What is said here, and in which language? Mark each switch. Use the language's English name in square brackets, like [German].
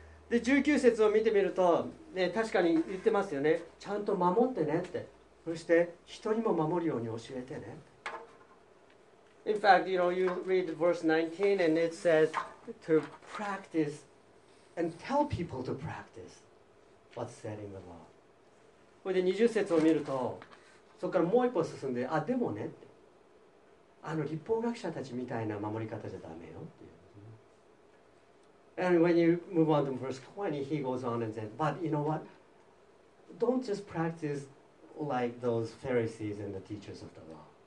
[Japanese] で、19節を見てみると、ね、確かに言ってますよね。ちゃんと守ってねって。そして人にも守るように教えてね。 [English] In fact, you know, you read verse 19 and it says to practice and tell people to practice what's said in the law. [Japanese] それで20節を見ると、そこからもう一歩進んで、あ、でもね、あの立法学者たちみたいな守り方じゃダメよっていう。 [English] And when you move on to verse 20, he goes on and says, but you know what? Don't just practice like those Pharisees and the teachers of the law.